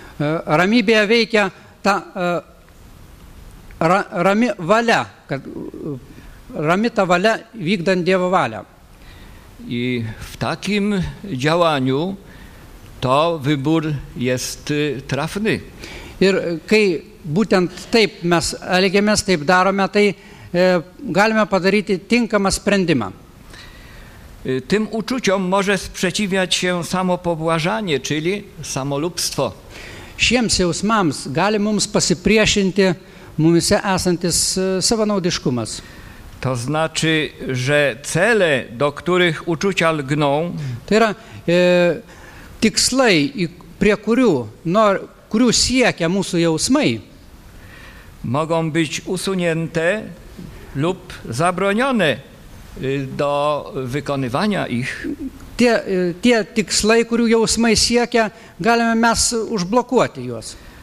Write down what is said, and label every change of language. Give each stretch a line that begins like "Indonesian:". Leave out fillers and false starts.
Lithuanian: Ramybė veikia ta rami valia, kad rami ta valia vykdant Dievo valią.
Polish: I w takim działaniu to wybór jest trafny.
Lithuanian: Ir kai būtent taip mes elgiamės, taip darome, tai galime padaryti tinkamą sprendimą.
Polish: Tym uczuciom może sprzeciwiać się samopobłażanie, czyli samolubstwo.
Lithuanian: Šiems jausmams gali mums pasipriešinti mumise esantis savanaudiškumas.
Polish: To znaczy, że cele, do których uczucia lgną,
Lithuanian: tai yra, tikslai, prie kurių, kurių siekia mūsų jausmai,
Polish: mogą być usunięte lub zabronione do wykonywania ich.
Lithuanian: Tie tikslai, kurių jausmai siekia, galime mes užblokuoti juos.